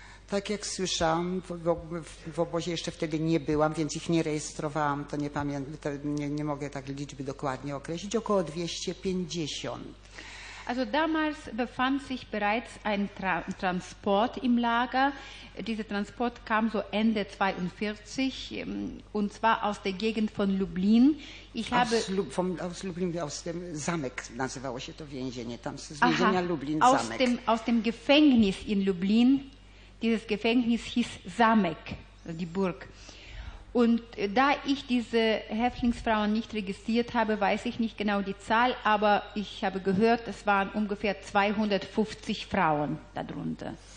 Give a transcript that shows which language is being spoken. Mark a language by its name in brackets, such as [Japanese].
[Polish] Tak jak słyszałam, w obozie jeszcze wtedy nie byłam, więc ich nie rejestrowałam, to nie pamiętam, nie mogę tak liczby dokładnie określić, około 250. [German] Also damals befand sich bereits ein Transport im Lager. Dieser Transport kam so Ende 42 und zwar aus der Gegend von Lublin. Aus Lublin, aus dem Zamek [Polish] nazywało się to więzienie, tam z więzienia Lublin, Zamek. [German] Aus dem Gefängnis in Lublin, dieses Gefängnis hieß Zamek, die Burg. Und da ich diese Häftlingsfrauen nicht registriert habe, weiß ich nicht genau die Zahl, aber ich habe gehört, es waren ungefähr 250 Frauen darunter.